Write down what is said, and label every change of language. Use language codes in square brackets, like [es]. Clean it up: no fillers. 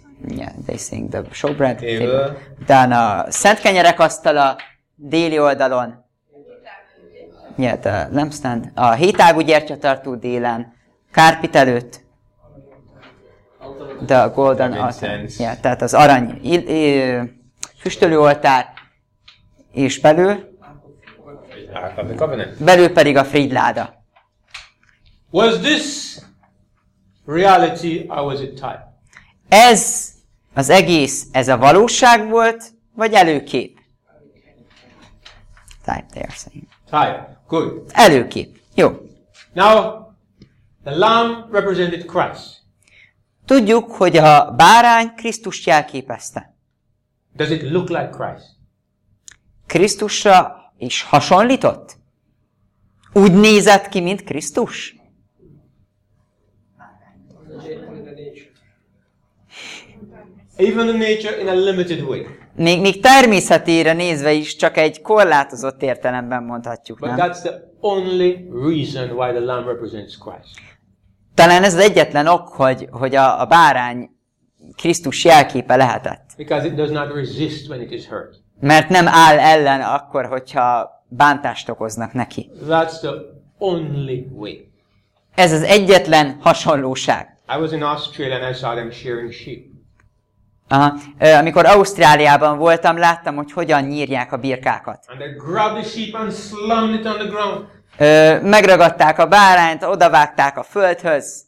[en] Yeah, they sing the showbread. [hu] Utána a szent kenyerek asztala déli oldalon. [en] Yeah, the lampstand. [hu] A hétágú gyertyatartó délen. Kárpit előtt. [en] The golden altar. Yeah, [hu] tehát az arany füstölőoltár és belül. Belül pedig a frigyláda. [en] Was this reality or was it type? [hu] Ez az egész, ez a valóság volt, vagy előkép? [en] Type, they are saying. Type, good. [hu] Előkép, jó. [en] Now, the lamb represented Christ. [hu] Tudjuk, hogy a bárány Krisztust jelképezte. [en] Does it look like Christ? [hu] Krisztusra is hasonlított? Úgy nézett ki, mint Krisztus? [en] Even the nature in a limited way. [hu] Még természetére nézve is csak egy korlátozott értelemben mondhatjuk, [en] but [hu] nem? [en] But that's the only reason why the lamb represents Christ. [hu] Talán ez az egyetlen ok, hogy a bárány Krisztus jelképe lehetett. [en] Because it does not resist when it is hurt. [hu] Mert nem áll ellen akkor, hogyha bántást okoznak neki. [en] That's the only way. [hu] Ez az egyetlen hasonlóság. [en] I was in Australia and I saw them shearing sheep. Aha. [hu] Amikor Ausztráliában voltam, láttam, hogy hogyan nyírják a birkákat. [en] And they grabbed the sheep and slammed it on the ground. [hu] Megragadták a bárányt, odavágták a földhöz.